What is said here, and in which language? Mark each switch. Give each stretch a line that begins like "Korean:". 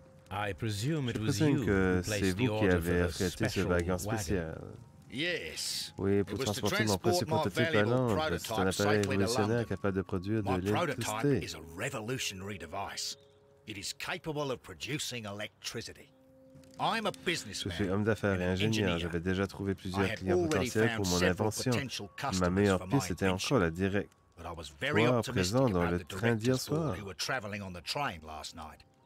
English: I presume it was you who placed the order for the special wagon. Yes.
French: Oui, pour transporter mon précieux prototype à Londres. C'est un appareil révolutionnaire capable de produire de l'électricité.
English: My prototype is a revolutionary device. It is capable of producing electricity. I'm a businessman.
French: Je suis homme d'affaires et ingénieur. J'avais déjà trouvé plusieurs clients potentiels pour mon invention. Ma meilleure piste était encore la directe.
English: But I was very optimistic about the directors who were traveling on the train last night.